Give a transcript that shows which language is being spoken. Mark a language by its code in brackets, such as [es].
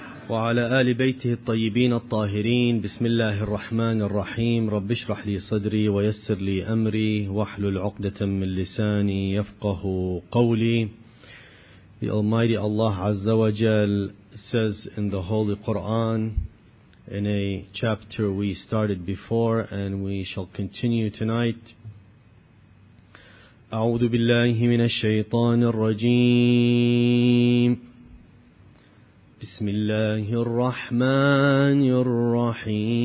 [ar] وعلى آل بيته الطيبين الطاهرين. بسم الله الرحمن الرحيم. رب اشرح لي صدري ويسر لي أمري واحلل عقدة من لساني يفقه قولي. [en] The Almighty Allah Azza wa Jal says in the Holy Quran, in a chapter we started before and we shall continue tonight. [ar] أعوذ بالله من الشيطان الرجيم. بسم الله الرحمن الرحيم.